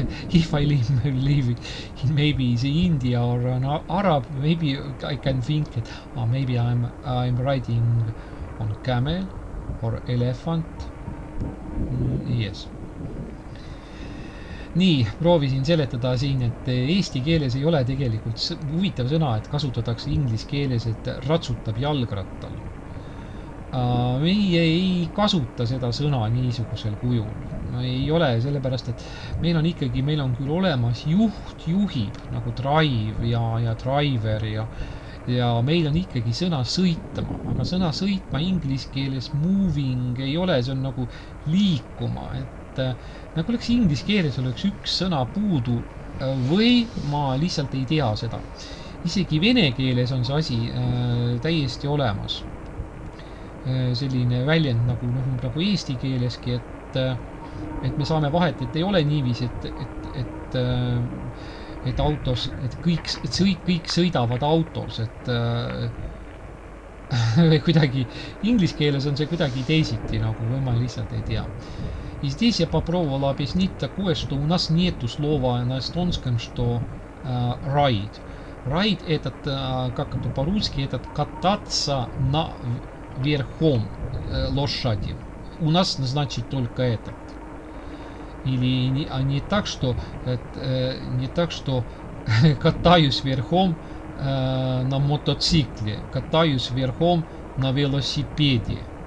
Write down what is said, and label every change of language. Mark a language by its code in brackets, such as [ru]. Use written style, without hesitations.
[en] If I live in maybe the India or an Arab, maybe I can think that maybe I'm riding on camel or elephant. Yes. [et] nii , proovisin seletada siin , et eesti keeles ei ole tegelikult huvitav sõna , et kasutatakse inglise keeles , et ratsutab jalgrattal . Meie ei kasuta seda sõna niisugusel kujul , ei ole , sellepärast et meil on ikkagi , meil on küll olemas juht , juhib nagu drive ja driver ja meil on ikkagi sõna sõitma , aga sõna sõitma inglise keeles moving ei ole , see on nagu liikuma , et nagu oleks inglise keeles oleks üks sõna puudu või ma lihtsalt ei tea seda . isegi vene keeles on see asi täiesti olemas . Selline väljend nagu eesti keeleski , et me saame vahet , et ei ole niiviisi , et autos , kõik sõidavad autos , et kuidagi inglise keeles on see kuidagi teisiti nagu või ma lihtsalt ei tea . [ru] Здесь я попробовал объяснить такое, что у нас нету слова на эстонском, что ride. Ride этот, как это по-русски, этот кататься на верхом лошади. У нас значит только этот. Или не, а не так, что не так, что катаюсь верхом на мотоцикле, катаюсь верхом на велосипеде.